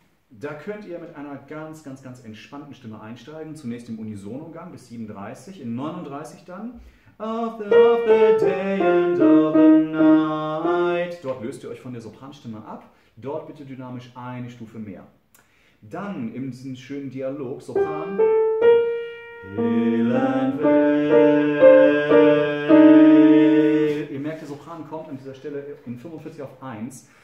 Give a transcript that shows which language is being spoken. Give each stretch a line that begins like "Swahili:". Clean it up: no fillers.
German: Da könnt ihr mit einer ganz, ganz, ganz entspannten Stimme einsteigen. Zunächst im Unisono-Gang bis 37, in 39 dann.
English: Of the day and of the night.
German: Dort löst ihr euch von der Sopranstimme ab. Dort bitte dynamisch eine Stufe mehr. Dann in diesem schönen Dialog Sopran. Ihr merkt, der Sopran kommt an dieser Stelle in 45 auf 1.